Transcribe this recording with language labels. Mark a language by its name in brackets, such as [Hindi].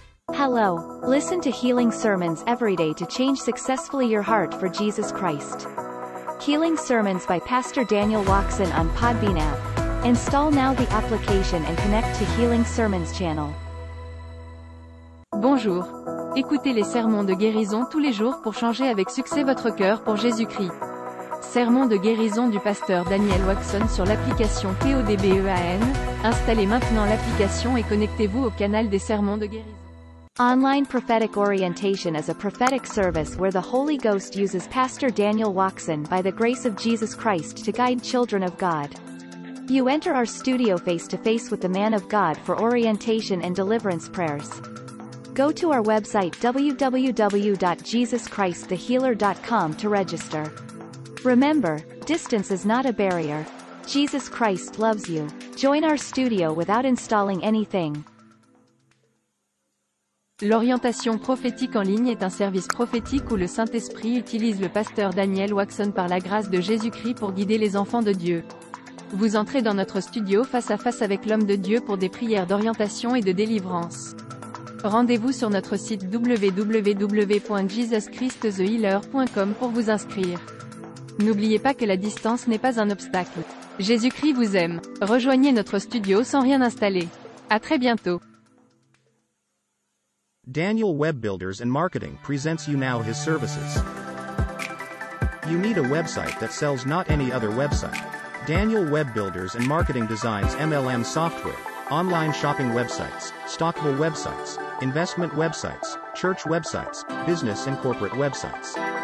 [English] Hello. Listen to Healing Sermons every day to change successfully your heart for Jesus Christ. Healing Sermons by Pastor Daniel Watson on Podbean app. Install now the application and connect to Healing Sermons channel. [French] Bonjour. Écoutez les sermons de guérison tous les jours pour changer avec succès votre cœur pour Jésus-Christ. Sermon de guérison du pasteur Daniel Watson sur l'application PODBEAN. Installez maintenant l'application et connectez-vous au canal des sermons de guérison. [English] Online Prophetic Orientation is a prophetic service where the Holy Ghost uses Pastor Daniel Watson by the grace of Jesus Christ to guide children of God. You enter our studio face to face with the man of God for orientation and deliverance prayers. Go to our website www.jesuschristthehealer.com to register. Remember, distance is not a barrier. Jesus Christ loves you. Join our studio without installing anything. [French] L'orientation prophétique en ligne est un service prophétique où le Saint-Esprit utilise le pasteur Daniel Watson par la grâce de Jésus-Christ pour guider les enfants de Dieu. Vous entrez dans notre studio face à face avec l'homme de Dieu pour des prières d'orientation et de délivrance. Rendez-vous sur notre site www.jesuschristthehealer.com pour vous inscrire. N'oubliez pas que la distance n'est pas un obstacle. Jésus-Christ vous aime. Rejoignez notre studio sans rien installer. À très bientôt. [English] Daniel Web Builders and Marketing presents you now his services. You need a website that sells not any other website. Daniel Web Builders and Marketing designs MLM software, online shopping websites, stockable websites, investment websites, church websites, business and corporate websites.